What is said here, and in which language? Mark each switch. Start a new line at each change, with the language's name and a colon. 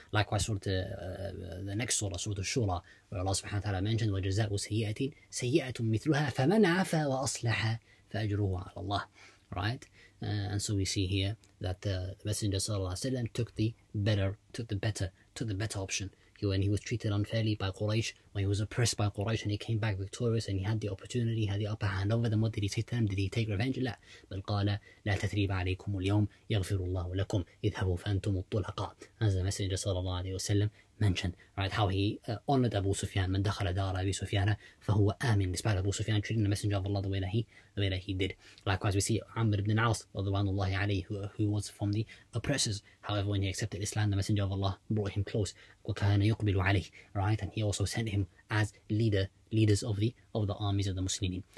English: Likewise, Surah the next Surah, Surah Al-Shura, where Allah subhanahu wa ta'ala mentioned,
Arabic: وجزاء سيئة سيئة مثلها فمن عفا وأصلح فأجره على الله.
English: Right? And so we see here that the Messenger sallallahu alayhi wa sallam took the better option. When he was treated unfairly by Quraysh, when he was oppressed by Quraysh and he came back victorious and he had the opportunity, he had the upper hand over them, what did he say to them? Did he take revenge? لا.
Arabic: بل قال لا تثريب عليكم اليوم يغفر الله لكم اذهبوا فأنتم الطلقاء.
English: As the Messenger sallallahu alayhi wa sallam mentioned, right, how he honored Abu Sufyan.
Arabic: من دخل دار أبي سفيان فهو آمن.
English: Despite Abu Sufyan treating the Messenger of Allah the way that he did. Likewise, we see Amr ibn al-As
Arabic: رضوان الله عليه,
English: who was from the oppressors. However, when he accepted Islam, the Messenger of Allah brought him close.
Arabic: وكان يقبل عليه,
English: right, and he also sent him as leaders of the armies of the Muslimin.